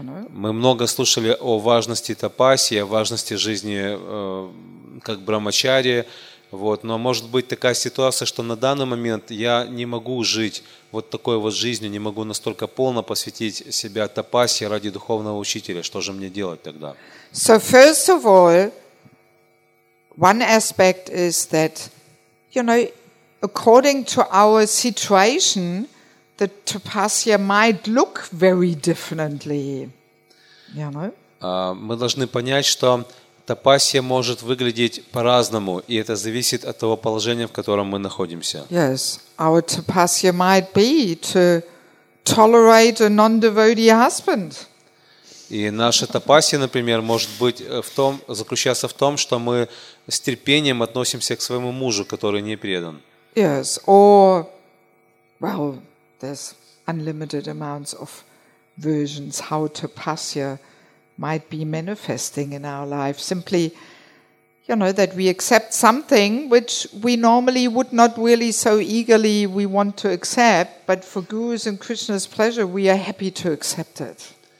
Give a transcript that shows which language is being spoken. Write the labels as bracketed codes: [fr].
[ru] Мы много слушали о важности тапаси, о важности жизни как брахмачари, вот. Но может быть такая ситуация, что на данный момент я не могу жить вот такой вот жизнью, не могу настолько полно посвятить себя тапаси ради духовного учителя. Что же мне делать тогда? [en] So first of all, one aspect is that, you know, according to our situation, the tapasya might look very differently. You know? [ru] Мы должны понять, что тапасья может выглядеть по-разному, и это зависит от того положения, в котором мы находимся. [en] Yes, our tapasya might be to tolerate a non-devotee husband. [ru] И наша тапасья, например, может быть в том, заключаться в том, что мы с терпением относимся к своему мужу, который не предан. [en] Yes, or, well, there's unlimited amounts of versions how tapasya might be manifesting in our life. Simply, you know, that we accept something which we normally would not really so eagerly we want to accept, but for Guru's and Krishna's pleasure we are happy to accept it.